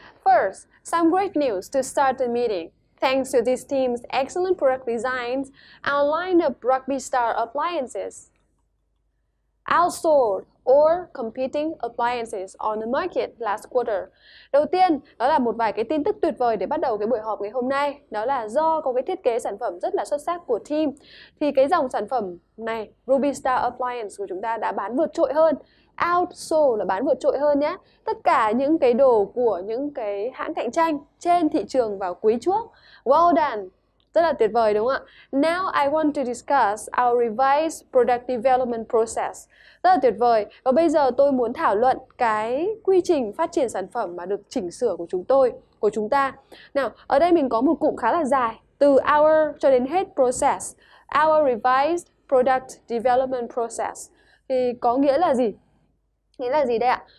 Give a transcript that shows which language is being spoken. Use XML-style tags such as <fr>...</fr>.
<en>First, some great news to start the meeting. Thanks to this team's excellent product designs, our line of Ruby Star appliances outsold or competing appliances on the market last quarter.</en> <vi>Đầu tiên, đó là một vài cái tin tức tuyệt vời để bắt đầu cái buổi họp ngày hôm nay. Đó là do có cái thiết kế sản phẩm rất là xuất sắc của team, thì cái dòng sản phẩm này, Ruby Star Appliance của chúng ta đã bán vượt trội hơn. Outsold là bán vượt trội hơn nhé. Tất cả những cái đồ của những cái hãng cạnh tranh trên thị trường vào quý trước.</vi> <en>Well done.</en> <vi>Rất là tuyệt vời đúng không ạ?</vi> <en>Now I want to discuss our revised product development process.</en> <vi>Rất là tuyệt vời. Và bây giờ tôi muốn thảo luận cái quy trình phát triển sản phẩm mà được chỉnh sửa của chúng tôi, của chúng ta. Nào, ở đây mình có một cụm khá là dài. Từ our cho đến hết process.</vi> <en>Our revised product development process.</en> <vi>Thì có nghĩa là gì? Nghĩa là gì đây ạ?</vi>